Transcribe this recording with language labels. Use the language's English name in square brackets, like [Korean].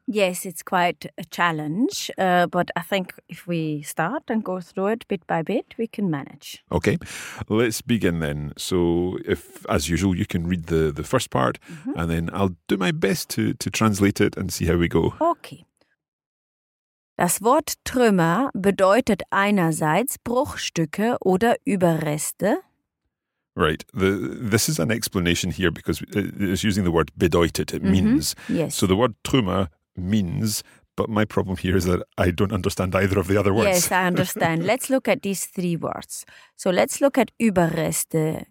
[English] Yes, it's quite a challenge. But I think if we start and go through it bit by bit, we can manage. Okay, let's begin then. So if, as usual, you can read the first part, and then I'll do my best to translate it and see how we go. Okay. [German] Das Wort Trümmer bedeutet einerseits Bruchstücke oder Überreste. [English] Right. This is an explanation here because it's using the word bedeutet. It means. Yes. So the word Trümmer means, but my problem here is that I don't understand either of the other words. Yes, I understand. Let's look at these three words. So let's look at Überreste.